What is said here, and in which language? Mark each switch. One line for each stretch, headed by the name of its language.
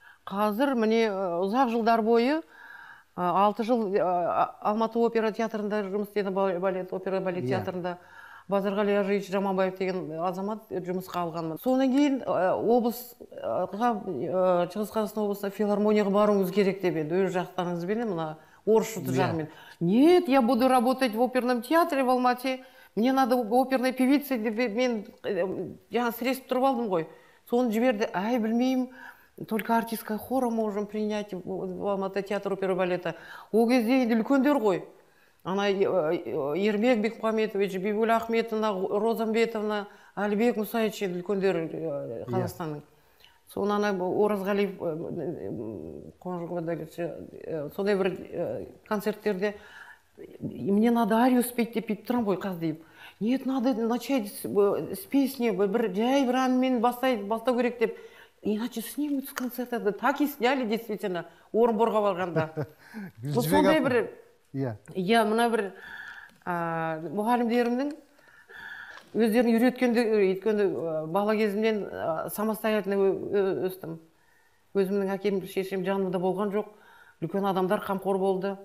Kazakh: Қазір міне ұзақ жылдар бойы, 6 жыл Алматы опера театрында жұмыс істеді, балет, опера балет театрында. Базарғали Ажиевич Жаманбаев деген азамат жұмысқа алғанмын. Сонан кейін облысқа, Шығыс Қазақстан облысына филармонияға баруыңыз керек деп енді өз жақтарыңызбен мына орыс жұрты жағымен.
Russian: Нет, я буду работать в оперном театре в Алмате. Мне надо оперной певицей
Kazakh: деп мен жаңа сіресіп тұрып алдым ғой. Соны жіберді, ай білмеймін.
Russian: Только артистка хора можем принять в Алматы театр оперы балета.
Kazakh: Ол кезде енді үлкендер ғой. Ана Ермек Бекмұхаметович, Бибігүл Ахметовна, Розамбетовна, Әлібек Мұсаевич енді үлкендер Қазақстанның. Соны ана Оразғалиев қожығыдаы сондай бір концерттерде
Russian: мне надо арию спеть
Kazakh: деп бүйтіп тұрамын ғой қазір деп.
Russian: Нет, надо начать с песни,
Kazakh: бір жай бір әнмен бастау керек деп.
Russian: Иначе снимут с концерта. Так и сняли действительно
Kazakh: Орынборға барғанда. Сондай бір иә мына бір мұғалімдерімнің өздерін үйреткенде, өйткені бала кезімнен самостоятельно өстім. Өзімнің әкем, шешем жанымда болған жоқ. Үлкен адамдар қамқор болды.